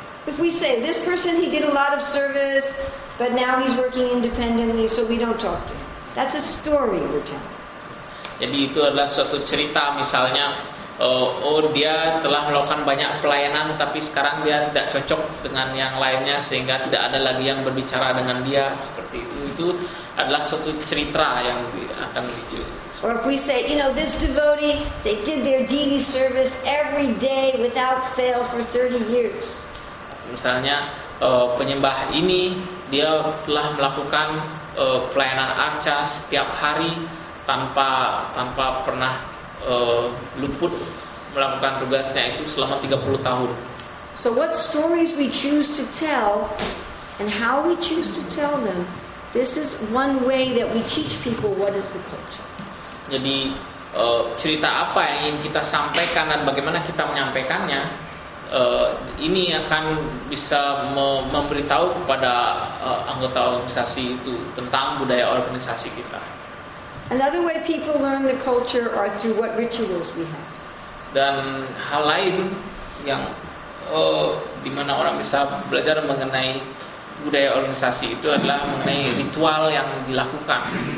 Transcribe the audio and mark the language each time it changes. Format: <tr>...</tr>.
<en>if we say this person, he did a lot of service, but now he's working independently, so we don't talk to him. That's a story we're telling.</en> <id>Jadi itu adalah suatu cerita, misalnya, dia telah melakukan banyak pelayanan, tapi sekarang dia tidak cocok dengan yang lainnya, sehingga tidak ada lagi yang berbicara dengan dia seperti itu. Itu adalah suatu cerita yang akan lucu.</id> <en>Or if we say, you know, this devotee, they did their deity service every day without fail for 30 years.</en> <id>Misalnya, penyembah ini dia telah melakukan pelayanan arca setiap hari tanpa pernah luput melakukan tugasnya itu selama 30 tahun.</id> <en>So what stories we choose to tell and how we choose to tell them, this is one way that we teach people what is the culture.</en> <id>Jadi cerita apa yang ingin kita sampaikan dan bagaimana kita menyampaikannya, ini akan bisa memberitahu kepada anggota organisasi itu tentang budaya organisasi kita.</id> <en>Another way people learn the culture are through what rituals we have.</en> <id>Dan hal lain yang di mana orang bisa belajar mengenai budaya organisasi itu adalah mengenai ritual yang dilakukan.</id>